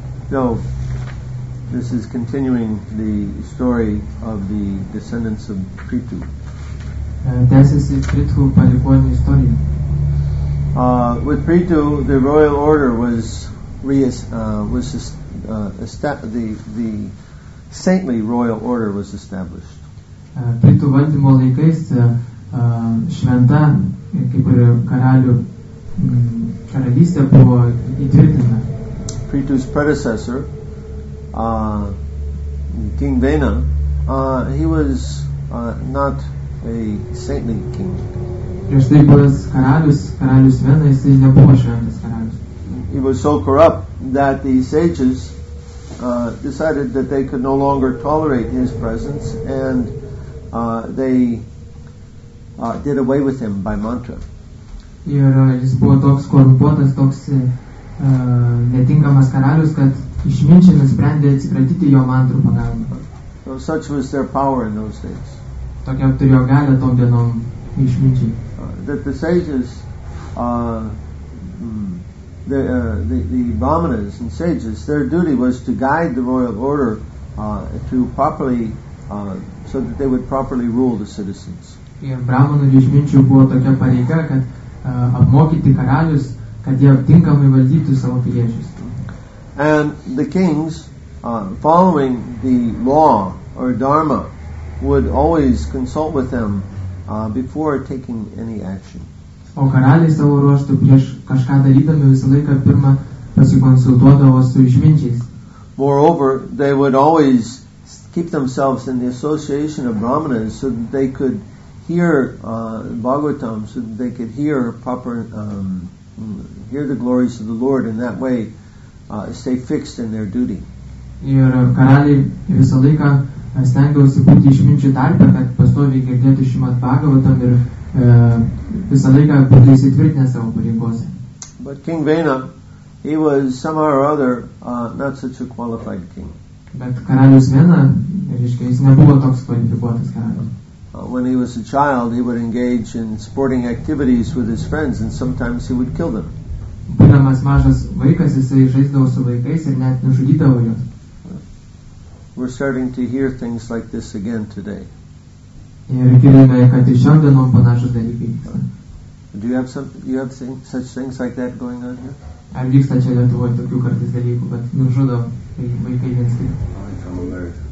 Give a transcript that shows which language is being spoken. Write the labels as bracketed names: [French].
[English] So, this is continuing the story of the descendants of Prithu. [Lithuanian] Tęsiasi Prithu palikuonių istorija. [English] With Prithu, the royal order was the saintly royal order was established. [Lithuanian] Prithu valdymo laikais šventa, kaip ir karalių karalystė buvo įtvirtinta. [English] Prithu's predecessor, King Vena, he was not a saintly king. [Lithuanian] Prieš tai buvęs karalius Vena, jis nebuvo šventas karalius. [English] He was so corrupt that the sages decided that they could no longer tolerate his presence and they did away with him by mantra. [Lithuanian] Ir jis buvo toks korumpuotas, toks netinkamas karalius, kad išminčiai nusprendė atsikratyti jo mantrų pagalbą. [English] So such was their power in those days. [Lithuanian] Tokia turėjo galę tom dienom išminčiai. [English] That the sages, the brahmanas and sages, their duty was to guide the royal order to properly, so that they would properly rule the citizens. [Lithuanian] Ir brahmanų ir išminčių buvo tokia pareiga, kad apmokyti karalius, kad jie tinkamai valdytų savo piliečius. [English] And the kings, following the law or dharma, would always consult with them before taking any action. [Lithuanian] O karaliai savo ruoštų prieš kažką darydami visą laiką pirmą pasikonsultuodavo su išminčiais. [English] Moreover, they would always keep themselves in the association of brahmanas so that they could hear Bhagavatam, so that they could hear proper hear the glories of the Lord, in that way stay fixed in their duty. [Lithuanian] Ir karaliai visą laiką stengiausi būti išminčių tarpe, kad pastoviai girdėtų Šrimad Bhagavatam ir visą laiką būtų įsitvirtinę savo pareigose. [English] But King Vena, he was somehow or other not such a qualified king. [Lithuanian] Bet karalius Vena, reiškia, jis nebuvo toks kvalifikuotas karalius. [English] When he was a child, he would engage in sporting activities with his friends, and sometimes he would kill them. [Lithuanian] Būdamas mažas vaikas, jisai žaisdavo su vaikais ir net nužudydavo juos. [English] We're starting to hear things like this again today. [Lithuanian] Ir girdime, kad ir šiandien mums panašūs dalykai vyksta. [English] Do you have such things like that going on here? [Lithuanian] Ar vyksta čia Lietuvoje tokių kartais dalykų, kad nužudo vaikai vienas kitą?